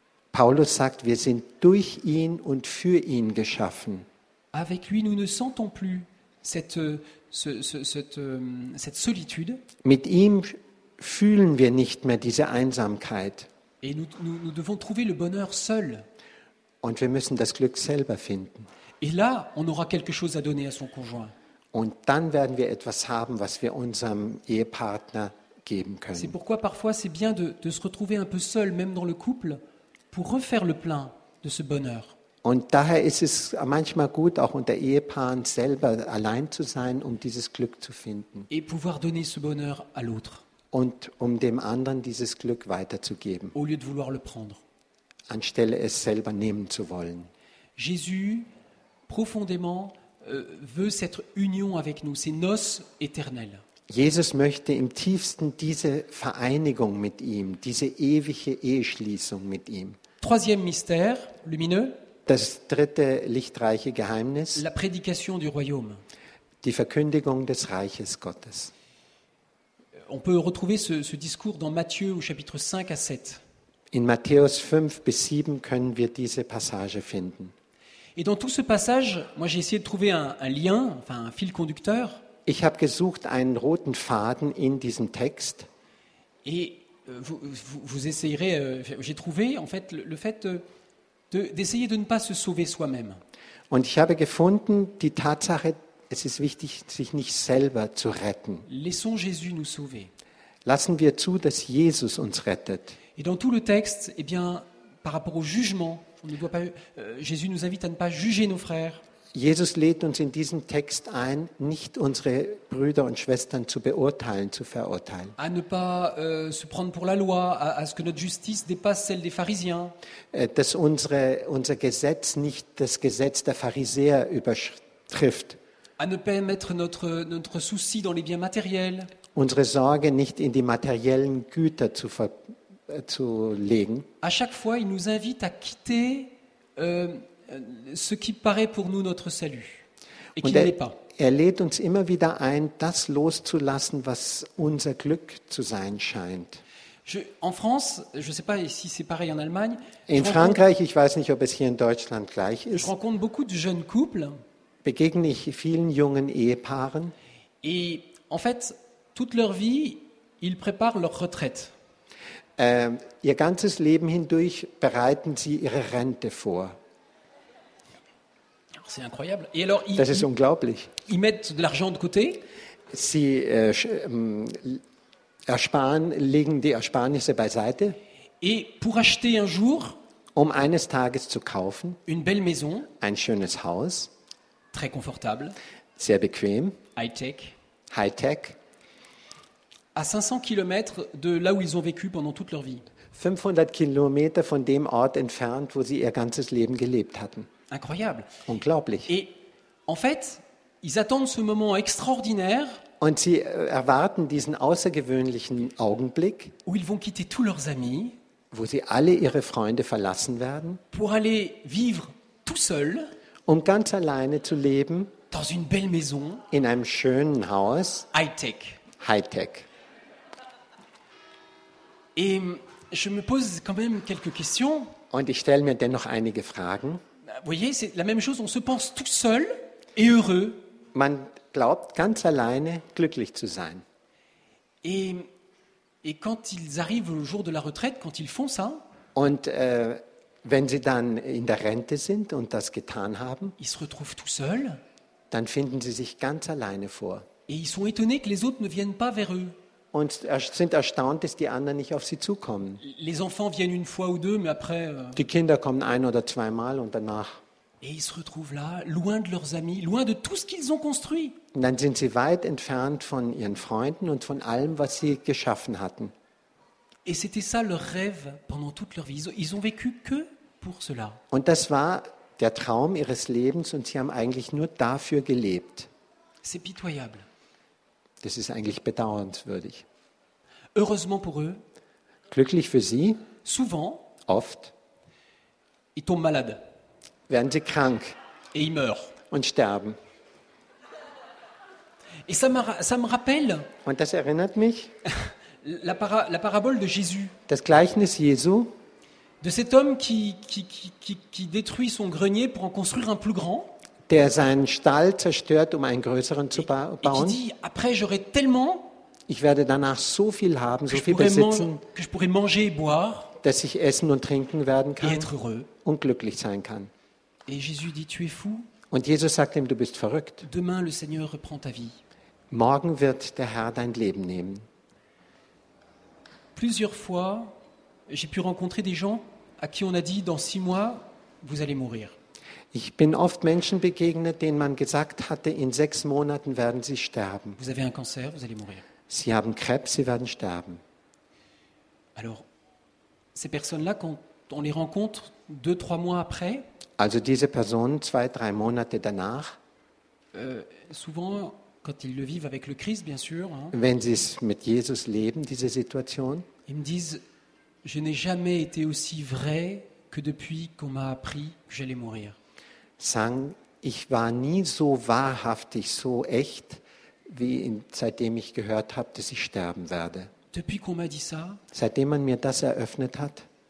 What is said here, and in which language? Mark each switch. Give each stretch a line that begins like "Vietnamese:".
German: Paulus sagt, wir sind durch ihn und für ihn geschaffen.
French: Avec lui, nous ne sentons plus cette solitude.
German: Mit ihm fühlen wir nicht mehr diese Einsamkeit.
French: Et nous devons trouver le bonheur seul.
German: Und wir müssen das Glück selber finden.
French: Et là, on aura quelque chose à donner à son conjoint.
German: Und dann werden wir etwas haben, was wir unserem Ehepartner geben können.
French: C'est pourquoi parfois c'est bien de se retrouver un peu seul, même dans le couple, pour refaire le plein de ce bonheur.
German: Und daher ist es manchmal gut, auch unter Ehepaaren selber allein zu sein, dieses Glück zu finden.
French: Et pouvoir donner ce bonheur à l'autre.
German: Und dem anderen dieses Glück weiterzugeben.
French: Au lieu de vouloir le prendre.
German: Anstelle es selber nehmen zu wollen.
French: Jésus profondément veut cette union avec nous, ces noces éternelles.
German: Jesus möchte im tiefsten diese Vereinigung mit ihm, diese ewige Eheschließung mit ihm.
French: Troisième mystère lumineux.
German: Das dritte lichtreiche Geheimnis.
French: La prédication du royaume.
German: Die Verkündigung des Reiches Gottes.
French: On peut retrouver ce discours dans Matthieu au chapitre 5 à 7.
German: In Matthäus 5 bis 7 können wir diese Passage finden.
French: Et dans tout ce passage, moi j'ai essayé de trouver un lien, enfin un fil conducteur.
German: Ich habe gesucht einen roten Faden in diesem Text.
French: Et vous essayerez, j'ai trouvé en fait le fait d'essayer de ne pas se sauver soi-même.
German: Und ich habe gefunden, die Tatsache, es ist wichtig, sich nicht selber zu retten.
French: Laissons Jésus nous sauver.
German: Lassen wir zu, dass Jesus uns rettet.
French: Et dans tout le texte, eh bien, par rapport au jugement, on ne doit pas, Jésus nous invite à ne pas juger nos frères.
German: Jesus lädt uns in diesem Text ein, nicht unsere Brüder und Schwestern zu beurteilen, zu verurteilen.
French: À ne pas se prendre pour la loi, à ce que notre justice dépasse celle des Pharisiens.
German: Dass unser Gesetz nicht das Gesetz der Pharisäer übertrifft.
French: À ne pas mettre notre souci dans les biens matériels.
German: Unsere Sorge nicht in die materiellen Güter zu legen.
French: À chaque fois, il nous invite à quitter ce qui paraît pour nous notre salut et qui ne l'est pas.
German: Er lädt uns immer wieder ein, das loszulassen, was unser Glück zu sein scheint.
French: En France, je ne sais pas si c'est pareil en Allemagne.
German: In Frankreich, ich weiß nicht, ob es hier in Deutschland gleich ist.
French: Je rencontre beaucoup de jeunes couples.
German: Begegne ich vielen jungen Ehepaaren.
French: Et en fait, toute leur vie, ils préparent leur retraite.
German: Ihr ganzes Leben hindurch bereiten sie ihre Rente vor.
French: C'est incroyable. Et alors,
German: das ist unglaublich.
French: Ils mettent de l'argent de côté.
German: Sie legen die Ersparnisse beiseite.
French: Et pour acheter un jour,
German: um eines Tages zu kaufen,
French: une belle maison,
German: ein schönes Haus,
French: très confortable,
German: sehr bequem,
French: high-tech, à 500 km de là où ils ont vécu pendant toute leur vie.
German: 500 km von dem Ort entfernt, wo sie ihr ganzes Leben gelebt hatten.
French: Incroyable.
German: Unglaublich.
French: Et en fait, ils attendent ce moment extraordinaire.
German: Und sie erwarten diesen außergewöhnlichen Augenblick,
French: où ils vont quitter tous leurs amis,
German: wo sie alle ihre Freunde verlassen werden,
French: pour aller vivre tout seul,
German: um ganz alleine zu leben,
French: dans une belle maison,
German: in einem schönen Haus,
French: high-tech.
German: High-tech.
French: Et je me pose quand même quelques questions.
German: Und ich stelle mir dennoch einige Fragen.
French: Vous voyez, c'est la même chose, on se pense tout seul et heureux.
German: Man glaubt ganz alleine glücklich zu sein.
French: Et quand ils arrivent au jour de la retraite, quand ils font ça,
German: und wenn sie dann in der Rente sind und das getan haben,
French: ils se retrouvent tout seuls,
German: dann finden sie sich ganz alleine vor.
French: Et ils sont étonnés que les autres ne viennent pas vers eux.
German: Und sind erstaunt, dass die anderen nicht auf sie zukommen.
French: Les enfants viennent une fois ou deux, mais après,
German: die Kinder kommen ein oder zweimal und danach.
French: Et ils se retrouvent là, loin de leurs amis, loin de tout ce qu'ils ont construit.
German: Und dann sind sie weit entfernt von ihren Freunden und von allem, was sie geschaffen hatten.
French: Et c'était ça leur rêve pendant toute leur vie. Ils ont vécu que pour cela.
German: Und das war der Traum ihres Lebens und sie haben eigentlich nur dafür gelebt.
French: C'est pitoyable.
German: Das ist eigentlich bedauernswürdig.
French: Heureusement pour eux.
German: Glücklich für sie.
French: Souvent.
German: Oft.
French: Ils tombent malades.
German: Werden sie krank.
French: Et ils meurent.
German: Und sterben.
French: Et ça me rappelle.
German: Und das erinnert mich.
French: La parabole de Jésus.
German: Das Gleichnis Jesu.
French: De cet homme qui détruit son grenier pour en construire un plus grand.
German: Der seinen Stall zerstört, um einen größeren zu bauen.
French: Dit, après, j'aurai tellement,
German: ich werde danach so viel haben, so viel besitzen,
French: que je pourrai manger et boire,
German: dass ich essen und trinken werden kann
French: et être heureux.
German: Und glücklich sein kann.
French: Et Jésus dit, tu es fou.
German: Und Jesus sagt ihm, du bist verrückt.
French: Demain, le Seigneur reprend ta vie.
German: Morgen wird der Herr dein Leben nehmen.
French: Plusieurs fois, j'ai pu rencontrer des gens à qui on a dit, dans 6 mois, vous allez mourir.
German: Ich bin oft Menschen begegnet, denen man gesagt hatte, in 6 Monaten werden sie sterben.
French: Vous avez un cancer, vous allez mourir.
German: Sie haben Krebs, sie werden sterben.
French: Alors, ces personnes-là, quand on les rencontre 2-3 mois après,
German: also diese Personen 2-3 Monate danach,
French: souvent, quand ils le vivent avec le Christ, bien sûr, hein,
German: wenn sie es mit Jesus leben, diese Situation,
French: ils me disent, je n'ai jamais été aussi vrai que depuis qu'on m'a appris que j'allais mourir.
German: Sagen, ich war nie so wahrhaftig, so echt, wie seitdem ich gehört habe, dass ich sterben werde.
French: Depuis qu'on m'a dit ça,
German: seitdem man mir das eröffnet hat,